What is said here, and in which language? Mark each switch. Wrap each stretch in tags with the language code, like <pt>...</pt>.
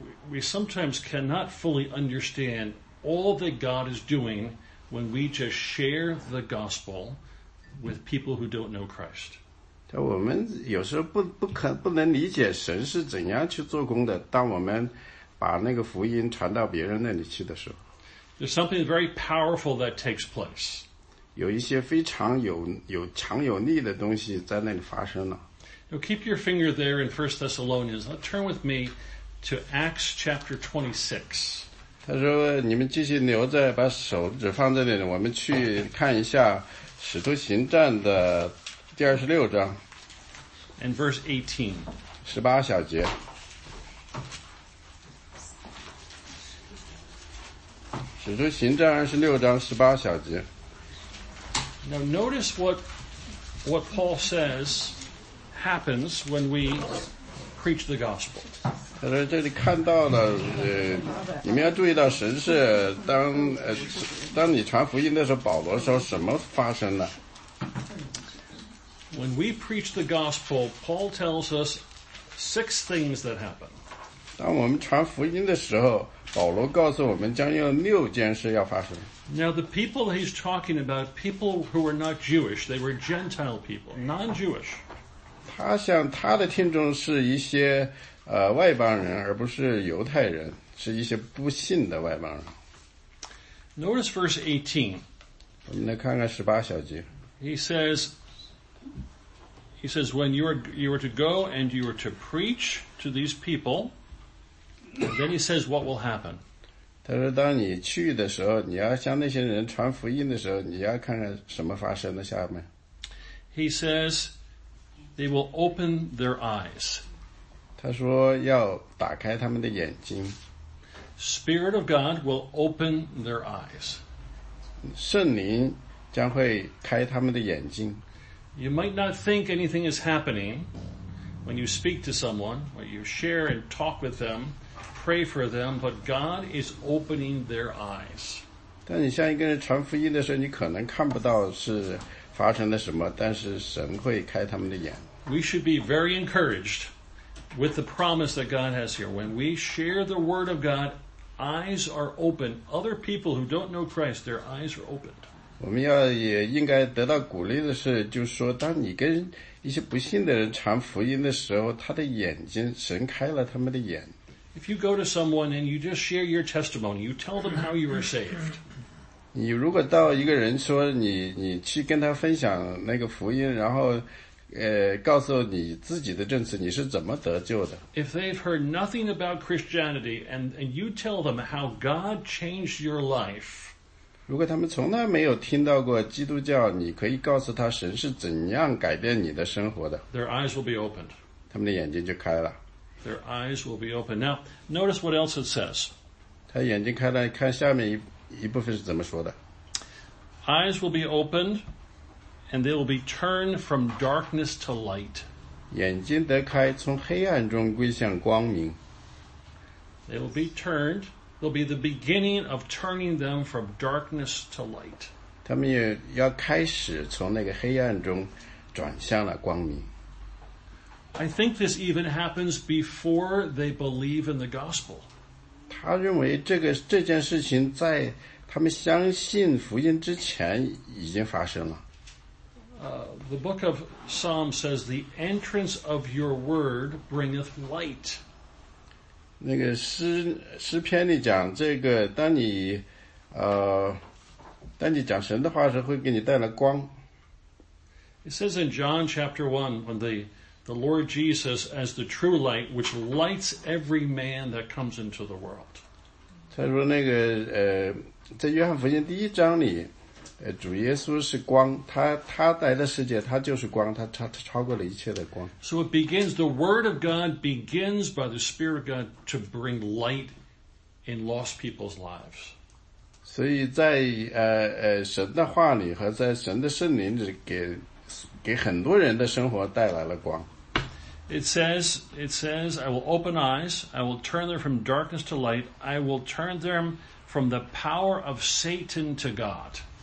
<en>We sometimes cannot fully understand all that God is doing when we just share the gospel with people who don't know Christ.</en> <zh>我们有时候不能理解神是怎样去做工的，当我们把那个福音传到别人那里去的时候。</zh> <en>There's something very powerful that takes place.</en> <zh>有一些非常有强有力的东西在那里发生了。</zh> <en>Now keep your finger there in 1 Thessalonians. Now turn with me to Acts chapter 26.</en> <zh>他说你们继续留在把手指放在那里，我们去看一下使徒行传的第二十六章。</zh> <en>And verse 18.</en> <zh>十八小节。使徒行传二十六章十八小节。</zh> <en>Now notice what Paul says happens when we preach the gospel.</en> <zh>他说这里看到了，你们要注意到神是当你传福音的时候，保罗说什么发生了。</zh> <en>When we preach the gospel, Paul tells us six things that happen.</en> <zh>当我们传福音的时候，保罗告诉我们将有六件事要发生。</zh> <en>Now the people he's talking about, people who were not Jewish, they were Gentile people, non-Jewish.</en> <zh>他向他的听众是一些外邦人，而不是犹太人，是一些不信的外邦人。</zh> <en>Notice verse 18.</en> <zh>我们来看看十八小节。</zh> <en>He says, when you are to go and you are to preach to these people,Then he says, what will happen?</en> <zh>他说当你去的时候，你要向那些人传福音的时候，你要看看什么发生的下面。</zh> <en>He says, they will open their eyes.</en> <zh>他说要打开他们的眼睛。</zh> <en>Spirit of God will open their eyes.</en> <zh>圣灵将会开他们的眼睛。</zh> <en>You might not think anything is happening when you speak to someone, or you share and talk with them,pray for them, but God is opening their eyes.</en> <zh>但你向一个人传福音的时候，你可能看不到是发生了什么，但是神会开他们的眼。</zh> <en>We should be very encouraged with the promise that God has here. When we share the word of God, eyes are open. Other people who don't know Christ, their eyes are opened.</en> <zh>我们要也应该得到鼓励的是，就是说，当你跟一些不信的人传福音的时候，他的眼睛，神开了他们的眼。</zh> <en>If you go to someone and you just share your testimony, you tell them how you were saved.</en> <zh>你如果到一个人说你去跟他分享那个福音，然后告诉你自己的证词，你是怎么得救的。</zh> <en>If they've heard nothing about Christianity and you tell them how God changed your life.</en> <zh>如果他们从来没有听到过基督教，你可以告诉他神是怎样改变你的生活的。</zh> <en>Their eyes will be opened.</en> <zh>他们的眼睛就开了。</zh> <en>Their eyes will be open. Now, notice what else it says.</en> <zh>他眼睛开了，看下面一部分是怎么说的。</zh> <en>Eyes will be opened, and they will be turned from darkness to light.</en> <zh>眼睛得开，从黑暗中归向光明。</zh> <en>They will be turned. They'll be the beginning of turning them from darkness to light.</en> <zh>他们也要开始从那个黑暗中转向了光明。</zh> <en>I think this even happens before they believe in the gospel.</en> <zh>他认为这件事情在他们相信福音之前已经发生了。</zh> <en>The book of Psalms says, "The entrance of your word bringeth light."</en> <zh>那个诗篇里讲这个，当你讲神的话时，会给你带来光。</zh> <en>It says in John chapter 1 when the Lord Jesus as the true light which lights every man that comes into the world.</en> <zh>他说那个在约翰福音第一章里主耶稣是光，他来的世界他就是光，他超过了一切的光。</zh> <en>So it begins, the word of God begins by the Spirit of God to bring light in lost people's lives.</en> <zh>所以在神的话里和在神的圣灵里给很多人的生活带来了光。</zh> <en>It says, I will open eyes, I will turn them from darkness to light, I will turn them from the power of Satan to God.</en>